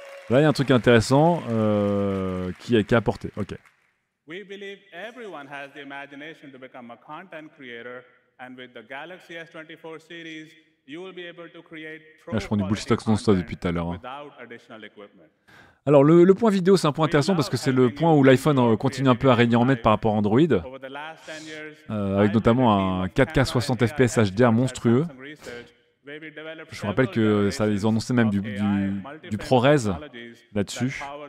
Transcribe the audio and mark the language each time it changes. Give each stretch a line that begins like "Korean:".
French: Là, il y a un truc intéressant qui est apporté. Ok.
English: We believe everyone has the imagination to become a content creator, and with the Galaxy S24 series, you will be able to create.
French: Là, je prends du bullshit non-stop depuis tout à l'heure. Hein. Alors, le point vidéo, c'est un point intéressant parce que c'est le point où l'iPhone continue un peu à régner en maître par rapport à Android, avec notamment un 4K 60 FPS HDR monstrueux. Je vous rappelle qu'ils ont annoncé même du ProRes là-dessus.